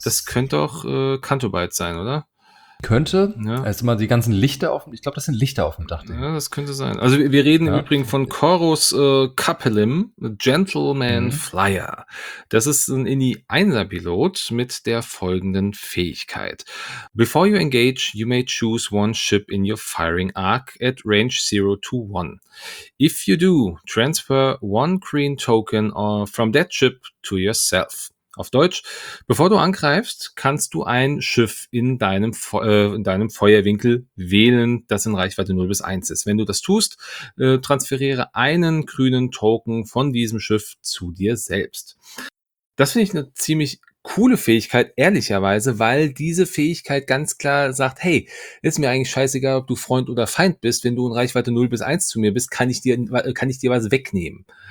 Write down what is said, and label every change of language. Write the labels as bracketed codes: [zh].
[de] Das könnte auch Cantobite sein, oder? Könnte, ja. Also mal die ganzen Lichter auf dem, ich glaube, das sind Lichter auf dem Dach. Ja, das könnte sein. Also wir reden ja. Im Übrigen von Corus Capellim, Gentleman Flyer. Das ist ein Ini-1er-Pilot mit der folgenden Fähigkeit. [en] Before you engage, you may choose one ship in your firing arc at range 0 to 1. If you do, transfer one green token from that ship to yourself. [de] Auf Deutsch, bevor du angreifst, kannst du ein Schiff in deinem Feuerwinkel wählen, das in Reichweite 0 bis 1 ist. Wenn du das tust, transferiere einen grünen Token von diesem Schiff zu dir selbst. Das finde ich eine ziemlich coole Fähigkeit, ehrlicherweise, weil diese Fähigkeit ganz klar sagt, hey, ist mir eigentlich scheißegal, ob du Freund oder Feind bist, wenn du in Reichweite 0 bis 1 zu mir bist, kann ich dir was wegnehmen.